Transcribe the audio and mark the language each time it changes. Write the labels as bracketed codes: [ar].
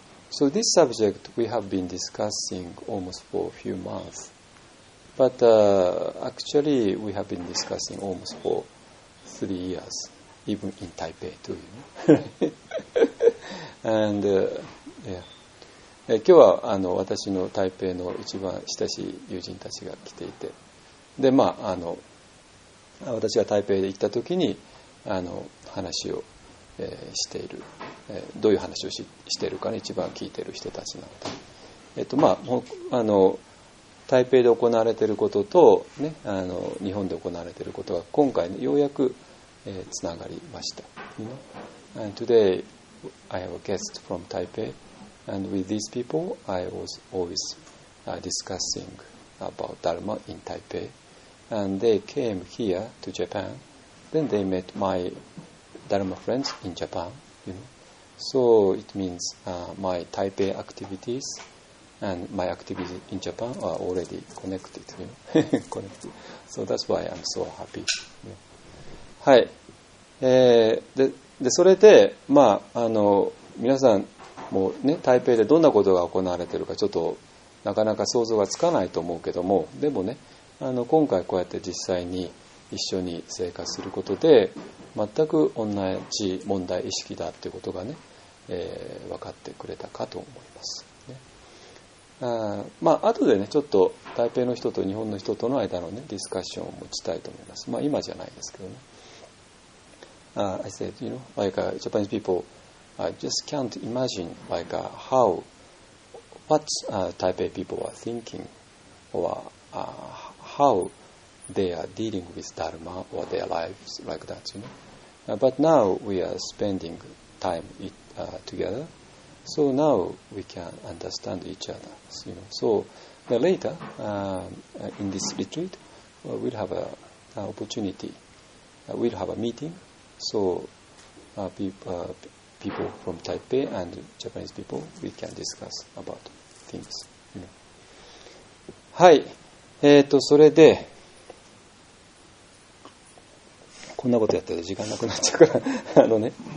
[en] So this subject we have been discussing almost for a few months, but actually we have been discussing almost for 3 years, even in Taipei too. You know? And yeah, [ja] 今日は私の台北の一番親しい友人たちが来ていて、でまあ私が台北で行った時に話をしている、どういう話を しているかね、一番聞いている人たちなので、まあ、台北で行われていることと、ね、日本で行われていることが今回、ね、ようやく、つながりました。 [en] You know? And today I have a guest from Taipei, and with these people I was always discussing about Dharma in Taipei, and they came here to Japan, then they met myDharma friends in Japan, you know. So it means my Taipei activities and my activities in Japan are already connected, you know. Connected. So that's why I'm so happy. Yeah. [ja] はい。でそれでまあ皆さんもね、台北でどんなことが行われているかちょっとなかなか想像がつかないと思うけども、でもね、今回こうやって実際に一緒に生活することで。全く同じ問題意識だってことがね、分かってくれたかと思います、ね、まあ後でねちょっと台北の人と日本の人との間のねディスカッションを持ちたいと思います。まあ今じゃないですけどね。 [en] I said, you know, like Japanese people, just can't imagine like how what Taipei people are thinking or how they are dealing with Dharma or their lives like that, you know. But now we are spending time together, so now we can understand each other, you know. So later in this retreat, we'll have an opportunity, we'll have a meeting. So, people from Taipei and Japanese people, we can discuss about things. You know. [ja] はい。それで、こんなことやってると時間なくなっちゃうから、あのね。